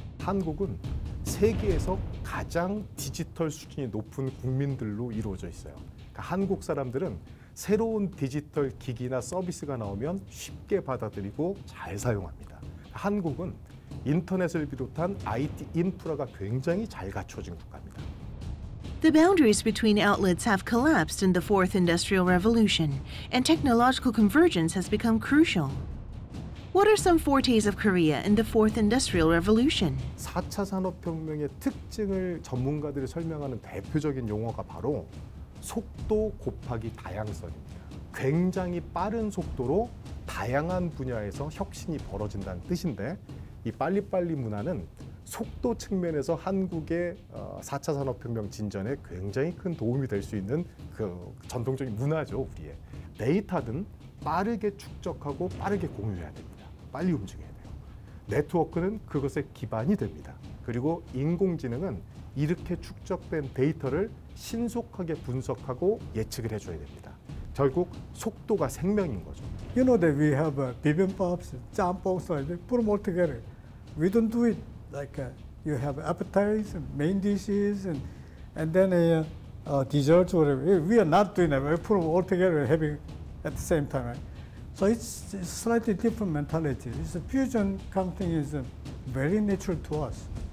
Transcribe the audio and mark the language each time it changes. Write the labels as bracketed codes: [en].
[ko] 한국은 세계에서 가장 디지털 수준이 높은 국민들로 이루어져 있어요. 그러니까 한국 사람들은 새로운 디지털 기기나 서비스가 나오면 쉽게 받아들이고 잘 사용합니다. 한국은 인터넷을 비롯한 IT 인프라가 굉장히 잘 갖춰진 국가입니다. [en] The boundaries between outlets have collapsed in the fourth industrial revolution, and technological convergence has become crucial. What are some fortes of Korea in the fourth industrial revolution? [ko] 4차 산업혁명의 특징을 전문가들이 설명하는 대표적인 용어가 바로 속도 곱하기 다양성입니다. 굉장히 빠른 속도로 다양한 분야에서 혁신이 벌어진다는 뜻인데 이 빨리빨리 문화는 속도 측면에서 한국의 4차 산업혁명 진전에 굉장히 큰 도움이 될 수 있는 그 전통적인 문화죠, 우리의. 데이터든 빠르게 축적하고 빠르게 공유해야 됩니다. 빨리 움직여야 돼요. 네트워크는 그것의 기반이 됩니다. 그리고 인공지능은 이렇게 축적된 데이터를 신속하게 분석하고 예측을 해줘야 됩니다. 결국 속도가 생명인 거죠. [en] You know that we have bibimbap, 짬뽕, so put them all together. We don't do it like you have appetites, main dishes, and then desserts, whatever. We are not doing that. We put them all together and having at the same time, right? So it's slightly different mentality. It's a fusion kind of thing is very natural to us.